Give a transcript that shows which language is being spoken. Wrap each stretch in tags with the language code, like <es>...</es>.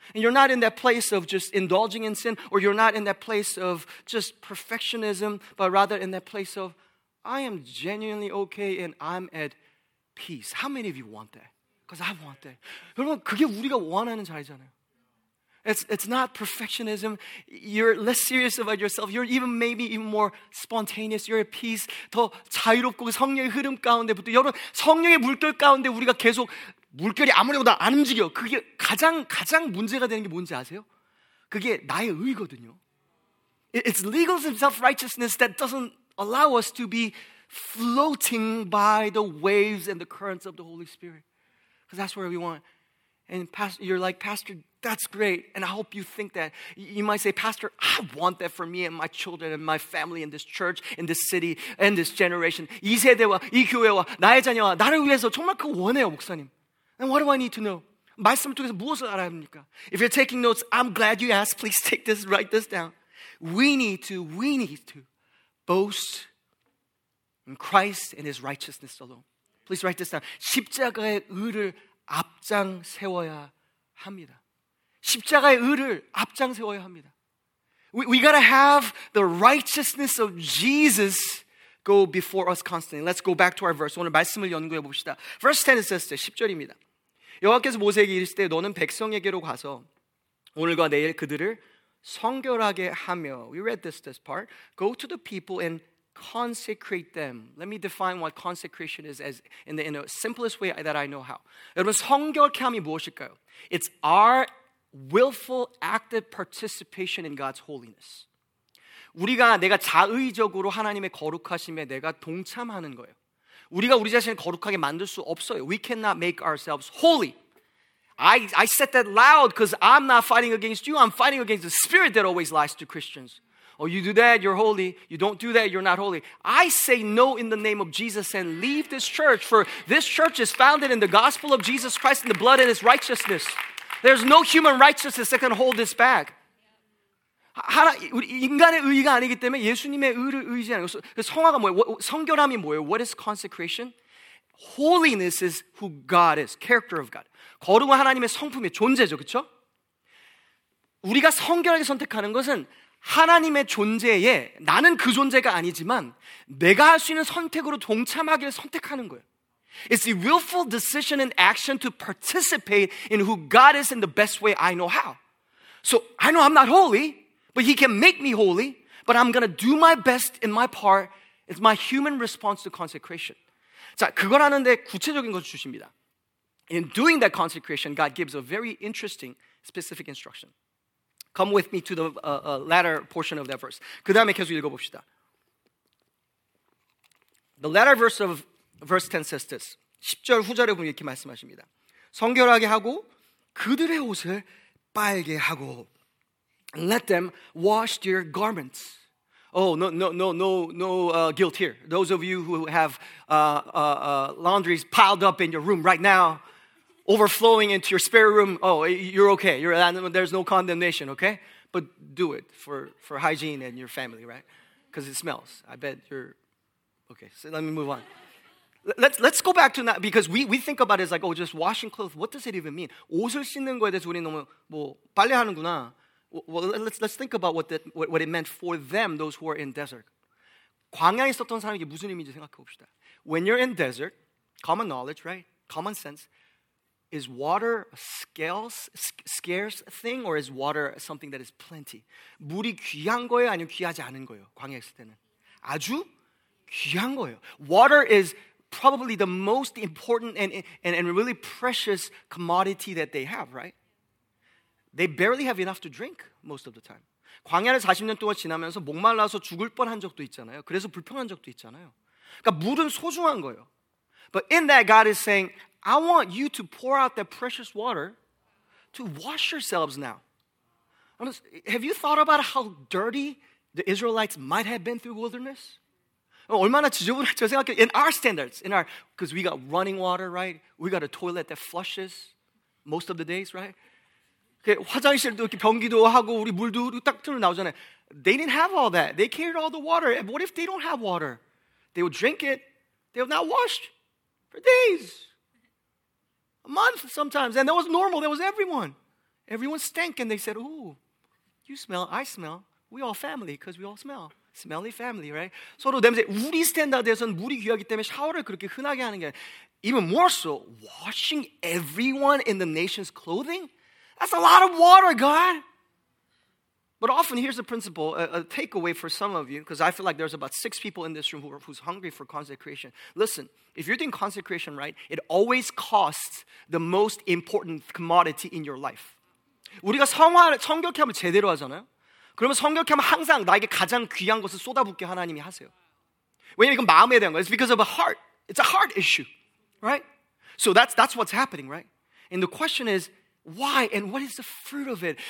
<en>And you're not in that place of just indulging in sin, or you're not in that place of just perfectionism, but rather in that place of, I am genuinely okay and I'm at peace. How many of you want that? Because I want that.</en> <ko>여러분, 그게 우리가 원하는 자리잖아요.</ko> <en>It's not perfectionism. You're less serious about yourself. You're even maybe even more spontaneous. You're at peace.</en> <ko>더 자유롭고 성령의 흐름 가운데부터 여러분 성령의 물결 가운데 우리가 계속 물결이 아무래도 안 움직여. 그게 가장 문제가 되는 게 뭔지 아세요? 그게 나의 의거든요.</ko> <en>It's legalism, self-righteousness that doesn't allow us to be floating by the waves and the currents of the Holy Spirit. Because that's where we want. And pastor, you're like, Pastor, that's great. And I hope you think that. You might say, Pastor, I want that for me and my children and my family and this church, in this city, and this generation.</en> <ko>이 세대와 이 교회와 나의 자녀와 나를 위해서 정말 그거 원해요, 목사님.</ko> <en>And what do I need to know?</en> <ko>말씀을 통해서 무엇을 알아야 합니까?</ko> <en>If you're taking notes, I'm glad you asked. Please take this, write this down. We need to boast in Christ and his righteousness alone. Please write this down.</en> <ko>십자가의 의를 앞장세워야 합니다. 십자가의 의를 앞장세워야 합니다.</ko> <en>We gotta have the righteousness of Jesus go before us constantly. Let's go back to our verse.</en> <ko>오늘 말씀을 연구해 봅시다.</ko> <en>Verse 10 is this,</en> <ko>10절입니다. 여호와께서 모세에게 이르시되 너는 백성에게로 가서 오늘과 내일 그들을 성결하게 하며</ko> <en>We read this part. Go to the people and consecrate them. Let me define what consecration is as in the simplest way that I know how.</en> <ko>여러분, 성결케 함이 무엇일까요?</ko> <en>It's our willful active participation in God's holiness.</en> <ko>우리가 내가 자의적으로 하나님의 거룩하심에 내가 동참하는 거예요. 우리가 우리 자신을 거룩하게 만들 수 없어요.</ko> <en>We cannot make ourselves holy. I said that loud because I'm not fighting against you. I'm fighting against the spirit that always lies to Christians. Oh, you do that, you're holy. You don't do that, you're not holy. I say no in the name of Jesus and leave this church, for this church is founded in the gospel of Jesus Christ and the blood and his righteousness. There's no human righteousness that can hold this back.</en> <ko>하나, 인간의 의의가 아니기 때문에 예수님의 의를 의지하는 것. 성화가 뭐예요? 성결함이 뭐예요?</ko> <en>What is consecration? Holiness is who God is, character of God.</en> <ko>거룩한 하나님의 성품의 존재죠, 그쵸? 우리가 성결하게 선택하는 것은 하나님의 존재에 나는 그 존재가 아니지만 내가 할 수 있는 선택으로 동참하기를 선택하는 거예요.</ko> <en>It's a willful decision and action to participate in who God is in the best way I know how. So I know I'm not holy, but he can make me holy, but I'm going to do my best in my part. It's my human response to consecration.</en> <ko>자, 그걸 하는데 구체적인 것을 주십니다.</ko> <en>In doing that consecration, God gives a very interesting specific instruction. Come with me to the latter portion of that verse.</en> <ko>그 다음에 계속 읽어봅시다.</ko> <en>The latter verse of verse 10 says this.</en> <ko>10절 후절에 보면 이렇게 말씀하십니다. 성결하게 하고 그들의 옷을 빨게 하고</ko> <en>And let them wash their garments. Oh, no guilt here. Those of you who have laundries piled up in your room right now, overflowing into your spare room, oh, you're okay. There's no condemnation, okay? But do it for hygiene and your family, right? Because it smells. I bet you're... Okay, so let me move on. Let's go back to that, because we think about it as like, oh, just washing clothes. What does it even mean?</en> <ko>옷을 씻는 거에 대해서 우리 너무 뭐 빨래 하는구나.</ko> <en>Well, let's think about what it meant for them, those who are in desert.</en> <ko>광야에 있었던 사람에게 무슨 의미인지 생각해 봅시다.</ko> <en>When you're in desert, common knowledge, right? Common sense. Is water a scarce thing or is water something that is plenty?</en> <ko>물이 귀한 거예요 아니면 귀하지 않은 거예요? 광야에 있을 때는. 아주 귀한 거예요.</ko> <en>Water is probably the most important and really precious commodity that they have, right? They barely have enough to drink most of the time.</en> <ko>광야를 40년 동안 지나면서 목말라서 죽을 뻔한 적도 있잖아요. 그래서 불평한 적도 있잖아요. 그러니까 물은 소중한 거예요.</ko> <en>But in that, God is saying, I want you to pour out that precious water to wash yourselves now. Have you thought about how dirty the Israelites might have been through wilderness?</en> <ko>얼마나 지저분했죠? 생각해.</ko> <en>In our standards, because we got running water, right? We got a toilet that flushes most of the days, right?</en> <ko>화장실도 이렇게 변기도 하고 우리 물도 딱 틀어 나오잖아요.</ko> <en>They didn't have all that. They carried all the water. What if they don't have water? They would drink it. They would not wash for days, a month sometimes. And that was normal. That was everyone. Everyone stank and they said, ooh, you smell, I smell. We all family because we all smell. Smelly family, right?</en> <ko>서로 냄새. 우리 스탠다드에서는 물이 귀하기 때문에 샤워를 그렇게 흔하게 하는 게</ko> <en>even more so, washing everyone in the nation's clothing? That's a lot of water, God. But often, here's the principle, a takeaway for some of you, because I feel like there's about six people in this room who's hungry for consecration. Listen, if you're doing consecration right, it always costs the most important commodity in your life.</en> <ko>우리가 성결케함을 제대로 하잖아요. 그러면 성결케함을 항상 나에게 가장 귀한 것을 쏟아붓게 하나님이 하세요. 왜냐면 이건 마음에 대한 거예요.</ko> <en>It's because of a heart. It's a heart issue, right? So that's what's happening, right? And the question is, why and what is the fruit of it?</en>